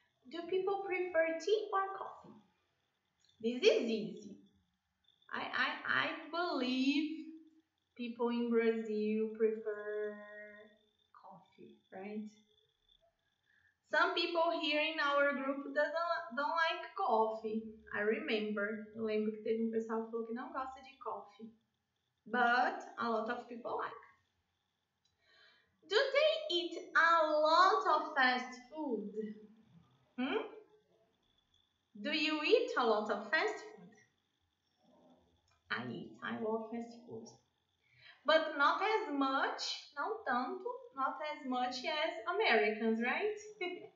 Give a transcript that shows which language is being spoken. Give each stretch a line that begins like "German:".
English: Do people prefer tea or coffee? This is easy. I believe people in Brazil prefer coffee, right? Some people here in our group don't like coffee. I remember.
Portuguese: Eu lembro que teve um pessoal que falou que não gosta de coffee.
English: But a lot of people like. Do they eat a lot of fast food? Do you eat a lot of fast food? I love fast food. But not as much,
Portuguese: não tanto,
English: not as much as Americans, right?